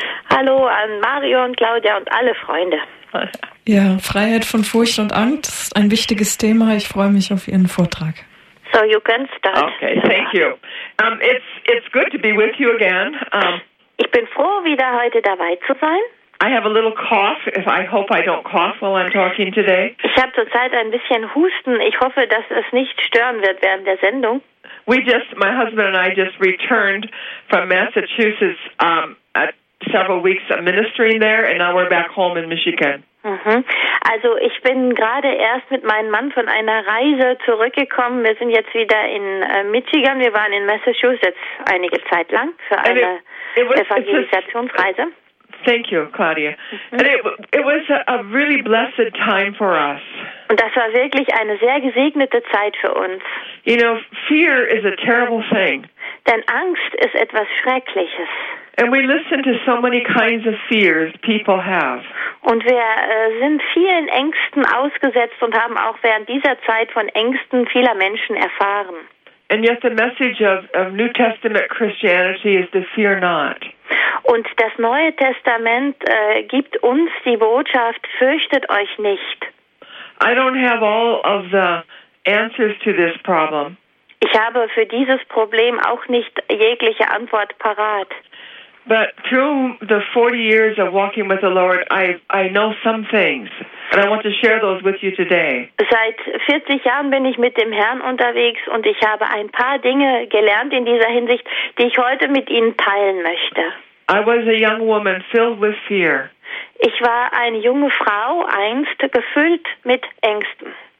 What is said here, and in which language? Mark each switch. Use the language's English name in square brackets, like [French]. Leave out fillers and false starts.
[German] Hallo an Marion, Claudia und alle Freunde. Ja, Freiheit von Furcht und Angst, ein wichtiges Thema. Ich freue mich auf Ihren Vortrag. [English] So, you can start. Okay, thank you. It's good to be with you again. [German] Ich bin froh, wieder heute dabei zu sein. [English] I have a little cough. If I hope I don't cough while I'm talking today. [German] Ich habe zurzeit ein bisschen Husten. Ich hoffe, dass es nicht stören wird während der Sendung. [English] My husband and I just returned from Massachusetts several weeks of ministering there, and now we're back home in Michigan. [German] Also ich bin gerade erst mit meinem Mann von einer Reise zurückgekommen. Wir sind jetzt wieder in Michigan. Wir waren in Massachusetts einige Zeit lang für eine Evangelisationsreise. [English] Thank you, Claudia. And it was a really blessed time for us. [German] Und das war wirklich eine sehr gesegnete Zeit für uns. [English] You know, fear is a terrible thing. [German] Denn Angst ist etwas Schreckliches. [English] And we listen to so many kinds of fears people have. [German] Und wir sind vielen Ängsten ausgesetzt und haben auch während dieser Zeit von Ängsten vieler Menschen erfahren. [English] And yet the message of New Testament Christianity is to fear not. [German] Und das Neue Testament gibt uns die Botschaft: Fürchtet euch nicht. [English] I don't have all of the answers to this problem. [German] Ich habe für dieses Problem auch nicht jegliche Antwort parat. [English] But through the 40 years of walking with the Lord, I know some things, and I want to share those with you today. [German] Seit 40 Jahren bin ich mit dem Herrn unterwegs, und ich habe ein paar Dinge gelernt in dieser Hinsicht, die ich heute mit Ihnen teilen möchte. [English] I was a young woman filled with fear. [German] Ich war eine junge Frau einst, gefüllt mit Ängsten.